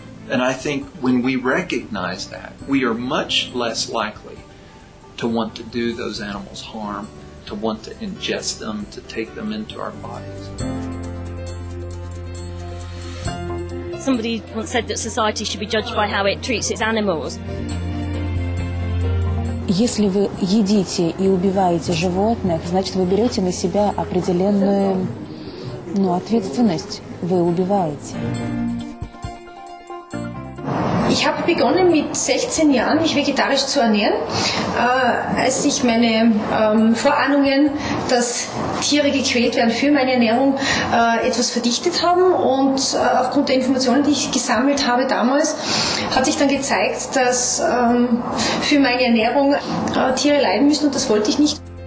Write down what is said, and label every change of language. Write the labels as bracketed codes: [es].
[en] And I think when we recognize that, we are much less likely to want to do those animals harm. To want to ingest them, to take them into our bodies. Somebody once said that society should be judged by how it treats its animals. [ru] Если вы едите и убиваете животных, значит вы берете на себя определенную, ну, ответственность. Вы убиваете. [de] Ich habe begonnen mit 16 Jahren, mich vegetarisch zu ernähren, als ich meine Vorahnungen, dass Tiere gequält werden für meine Ernährung, etwas verdichtet haben. Und aufgrund der Informationen, die ich gesammelt habe damals, hat sich dann gezeigt, dass für meine Ernährung Tiere leiden müssen und das wollte ich nicht.